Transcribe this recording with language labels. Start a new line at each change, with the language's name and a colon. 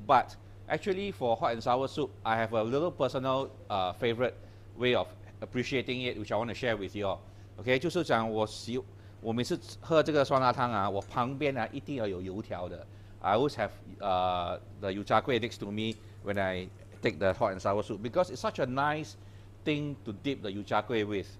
English: But actually, for hot and sour soup, I have a little personal favorite way of appreciating it, which I want to share with you all.
Chinese: Okay, 就是讲我每次喝这个酸辣汤啊，我旁边啊一定要有油条的。
English: I always have the yuzhakui next to me when I take the hot and sour soup because it's such a nice thing to dip the yuzhakui with.